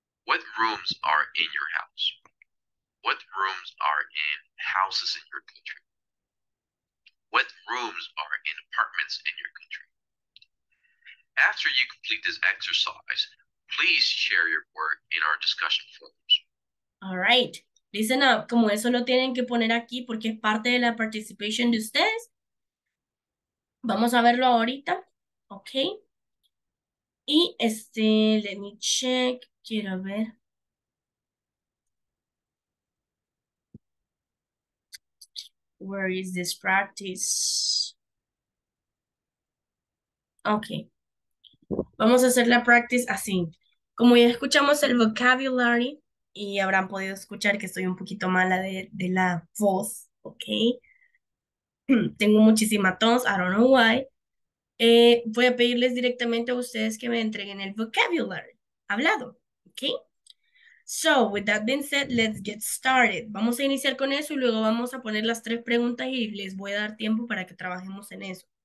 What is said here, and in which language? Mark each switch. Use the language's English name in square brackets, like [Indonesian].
[English] What rooms are in your house? What rooms are in houses in your country? What rooms are in apartments in your country? After you complete this exercise, please please share your work in our discussion forums. All right. Listen up. [Spanish] Como eso lo tienen que poner aquí porque es parte de la participation de ustedes. Vamos a verlo ahorita. Okay. Y este, [English] let me check. [Spanish] Quiero ver. [English] Where is this practice? [Spanish] Okay. Vamos a hacer la practice así. Como ya escuchamos el vocabulary y habrán podido escuchar que estoy un poquito mala de la voz, okay. Tengo muchísima tos, [English] I don't know why. [Spanish] Voy a pedirles directamente a ustedes que me entreguen el vocabulary hablado, okay. [English] So, with that being said, let's get started. [Spanish] Vamos a iniciar con eso y luego vamos a poner las tres preguntas y les voy a dar tiempo para que trabajemos en eso.